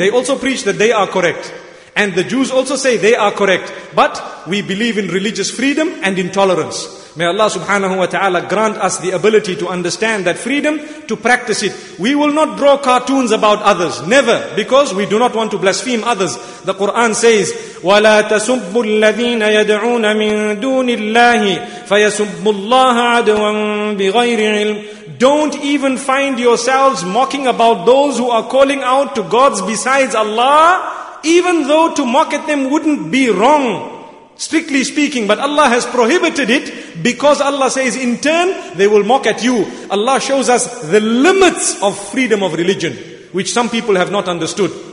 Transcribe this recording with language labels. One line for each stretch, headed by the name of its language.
English: They also preach that they are correct. And the Jews also say they are correct. But we believe in religious freedom and in tolerance. May Allah subhanahu wa ta'ala grant us the ability to understand that freedom, to practice it. We will not draw cartoons about others. Never. Because we do not want to blaspheme others.
Arabic: The Quran says, وَلَا تَسُبُّ الَّذِينَ يَدْعُونَ مِن دُونِ اللَّهِ فَيَسُبُّ اللَّهَ عَدْوًا بِغَيْرِ عِلْمٍ.
English: Don't even find yourselves mocking about those who are calling out to gods besides Allah, even though to mock at them wouldn't be wrong, strictly speaking. But Allah has prohibited it, because Allah says in turn they will mock at you. Allah shows us the limits of freedom of religion, which some people have not understood.